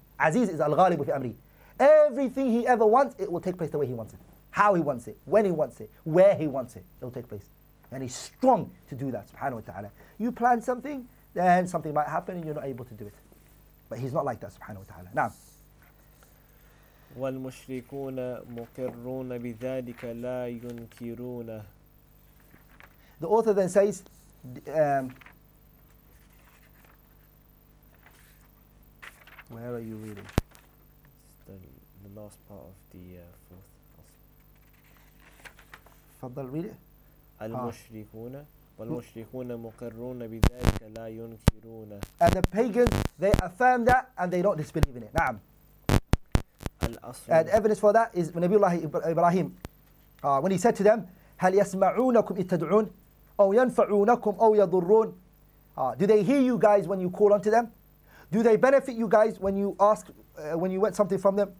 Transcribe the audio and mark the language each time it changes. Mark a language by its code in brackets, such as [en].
[en] Aziz is al-ghalibu fi amri. Everything He ever wants, it will take place the way He wants it. How He wants it, when He wants it, where He wants it, it will take place. And He's strong to do that, subhanahu wa ta'ala. You plan something, then something might happen and you're not able to do it. But He's not like that, subhanahu wa ta'ala. [ar] Naam. والمشركون مقرون بذلك لا ينكرونه. [en] The author then says, where are you reading? It's the last part of the fourth. فضل read it. [ar] والمشركون مقرون بذلك لا ينكرونه. [en] And the pagans, they affirm that and they don't disbelieve in it. [ar] نعم. [en] And evidence for that is Nabiullah Ibrahim, when he said to them, [ar] هَلْ يَسْمَعُونَكُمْ إِتَّدْعُونَ أَوْ يَنْفَعُونَكُمْ أَوْ يَضُرُّونَ. [en] Do they hear you guys when you call unto them? Do they benefit you guys when you ask, when you want something from them?